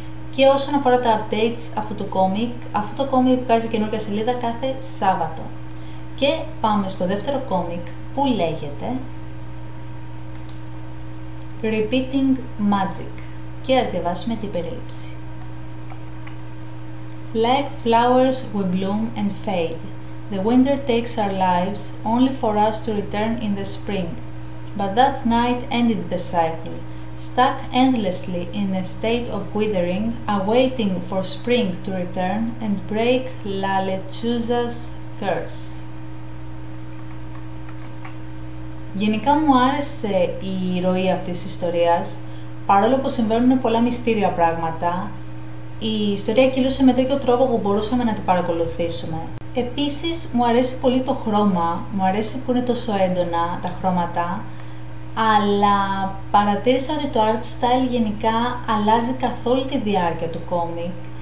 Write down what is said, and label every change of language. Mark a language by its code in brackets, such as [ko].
[el] Και όσον αφορά τα updates αυτού του κόμικ, αυτό το κόμικ βγάζει καινούργια σελίδα κάθε Σάββατο. Και πάμε στο δεύτερο κόμικ που λέγεται Repeating Magic και ας διαβάσουμε την περίληψη. [en] Like flowers, we bloom and fade. The winter takes our lives, only for us to return in the spring. But that night ended the cycle. Stuck endlessly in a state of withering, awaiting for spring to return and break La Lechuza's curse. [el] Γενικά μου άρεσε η ροή αυτής της ιστορίας, παρόλο που συμβαίνουν πολλά μυστήρια πράγματα, η ιστορία κύλωσε με τέτοιο τρόπο που μπορούσαμε να την παρακολουθήσουμε. Επίσης, μου αρέσει πολύ το χρώμα, μου αρέσει που είναι τόσο έντονα τα χρώματα, αλλά παρατήρησα ότι το art style γενικά αλλάζει καθόλου τη διάρκεια του κόμικ.